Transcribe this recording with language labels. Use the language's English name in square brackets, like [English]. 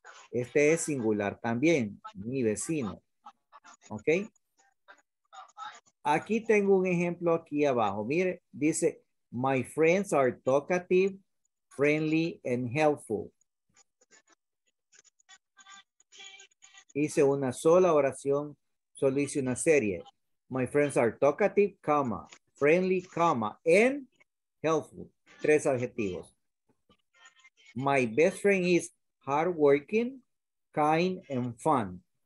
[Spanish] Este es singular también, mi vecino, ¿ok? Aquí tengo un ejemplo aquí abajo. Mire, dice, [English] my friends are talkative, friendly, and helpful. [Spanish] Hice una sola oración, solo hice una serie. [English] My friends are talkative, comma, friendly, comma, and helpful. [Spanish] Tres adjetivos. [English] My best friend is hardworking, kind, and fun.